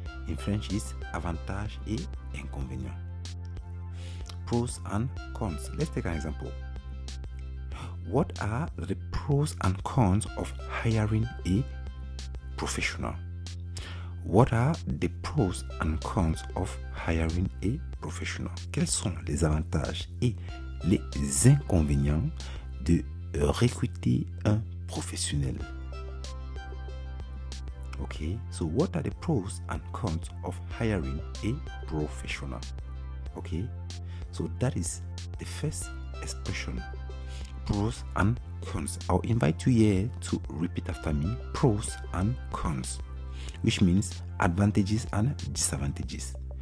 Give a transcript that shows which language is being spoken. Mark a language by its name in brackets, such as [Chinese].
[English] In French, it's [French] avantage et inconvénient. [English] Pros and cons. Let's take an example. What are the pros and cons of hiring a professional? What are the pros and cons of hiring a professional? [French] Quels sont les avantages et les inconvénients de recruter un professionnel? [English] Okay, so what are the pros and cons of hiring a professional? Okay, so that is the first expression. Pros and cons. I'll invite you here to repeat after me, pros and cons, which means advantages and disadvantages.